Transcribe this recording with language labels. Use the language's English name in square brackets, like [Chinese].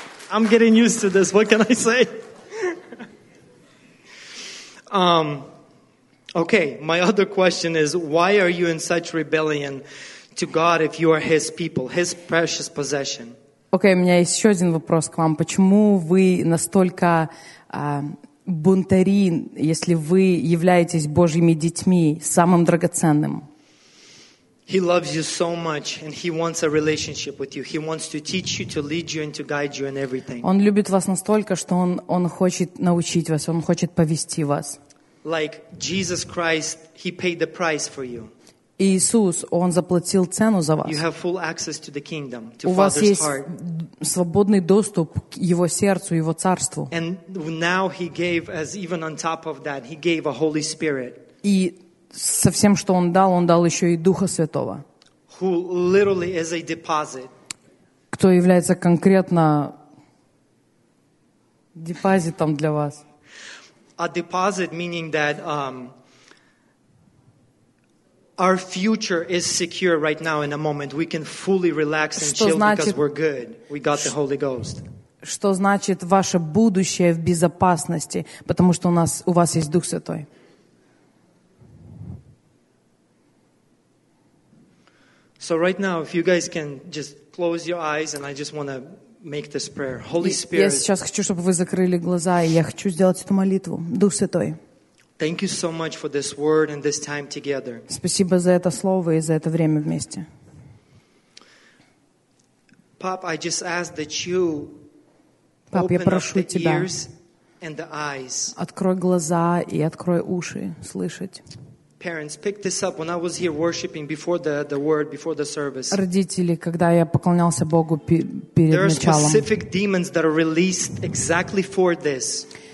[English] I'm getting used to this. What can I say? Okay, my other question is, why are you in such rebellion to God if you are His people, His precious possession? [Russian] Окей, у меня есть еще один вопрос к вам. Почему вы настолько бунтари, если вы являетесь Божьими детьми, самым драгоценным? [English] He loves you so much, and He wants a relationship with you. He wants to teach you, to lead you, and to guide you in everything. [Russian] Он любит вас настолько, что он хочет научить вас, он хочет повести вас. [English] Like Jesus Christ, He paid the price for you. [Russian] Иисус, Он заплатил цену за вас. [English] You have full access to the kingdom, to [Russian] У вас есть свободный доступ к Его сердцу, Его царству. [English] And now He gave, as even on top of that, He gave a Holy Spirit. [Russian] И со всем, что Он дал еще и Духа Святого. [English] Who literally is a deposit. [Russian] Кто является конкретно депозитом для вас? [English] A deposit meaning that our future is secure right now in a moment. We can fully relax and chill because we're good. We got the Holy Ghost. [Russian] Что значит ваше будущее в безопасности, потому что у вас есть Дух Святой? [English] So right now, if you guys can just close your eyes, and I just want to make this prayer. Holy Spirit. [Russian] Я сейчас хочу, чтобы вы закрыли глаза, и я хочу сделать эту молитву. Дух Святой. [English] Thank you so much for this word and this time together. [Russian] Спасибо за это слово и за это время вместе. [English] Pop, I just ask that you Pop, open [Russian] я прошу [English] up the [Russian] тебя. [English] Ears and the eyes. [Russian] Открой глаза и открой уши, слышать. [English] Parents, pick this up. When I was here worshiping before the word, before the service. [Russian] Родители, когда я поклонялся Богу перед началом. [English] There are specific demons that are released exactly for this.